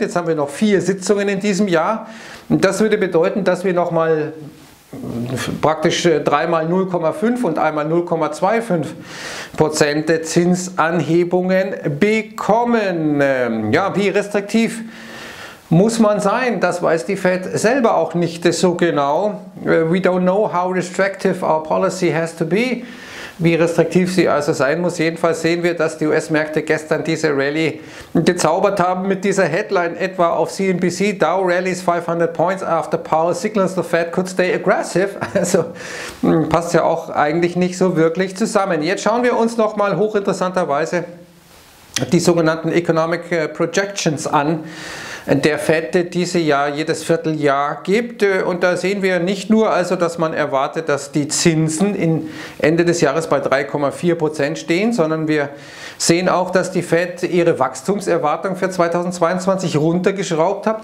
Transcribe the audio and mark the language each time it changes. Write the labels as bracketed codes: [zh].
[de] Jetzt haben wir noch 4 Sitzungen in diesem Jahr. Das würde bedeuten, dass wir nochmal praktisch dreimal 0,5 und einmal 0,25% Zinsanhebungen bekommen. Ja, wie restriktiv muss man sein? Das weiß die Fed selber auch nicht so genau. [en] We don't know how restrictive our policy has to be. [de] Wie restriktiv sie also sein muss. Jedenfalls sehen wir, dass die US-Märkte gestern diese Rallye gezaubert haben mit dieser Headline etwa auf CNBC. [en] Dow rallies 500 points after Powell signals the Fed could stay aggressive. [de] Also passt ja auch eigentlich nicht so wirklich zusammen. Jetzt schauen wir uns nochmal hochinteressanterweise die sogenannten Economic Projections an der Fed, die sie ja jedes Vierteljahr gibt. Und da sehen wir nicht nur also, dass man erwartet, dass die Zinsen in Ende des Jahres bei 3,4% stehen, sondern wir sehen auch, dass die Fed ihre Wachstumserwartung für 2022 runtergeschraubt hat.